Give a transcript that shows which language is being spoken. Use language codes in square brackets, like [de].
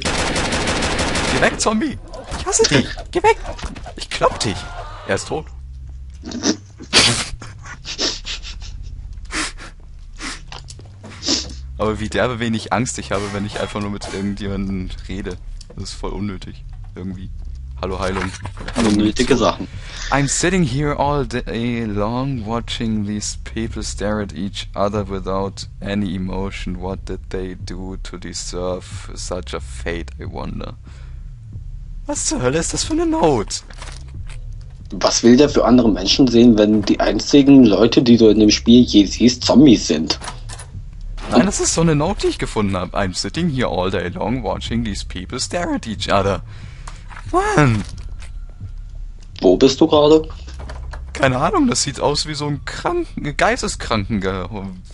[de] Geh weg, Zombie! Ich hasse dich! Geh weg! Ich klopp dich! Er ist tot. Aber wie derbe wenig Angst ich habe, wenn ich einfach nur mit irgendjemandem rede. Das ist voll unnötig. Irgendwie. Hallo Heilung. Hallo Unnötige Munition. Sachen. [en] I'm sitting here all day long watching these people stare at each other without any emotion. What did they do to deserve such a fate, I wonder? [de] Was zur Hölle ist das für eine Note? Was will der für andere Menschen sehen, wenn die einzigen Leute, die du in dem Spiel je siehst, Zombies sind? Nein, das ist so eine Note, die ich gefunden habe. [en] I'm sitting here all day long watching these people stare at each other. [de] Mann! Wo bist du gerade? Keine Ahnung, das sieht aus wie so ein Geisteskrankengehäuse.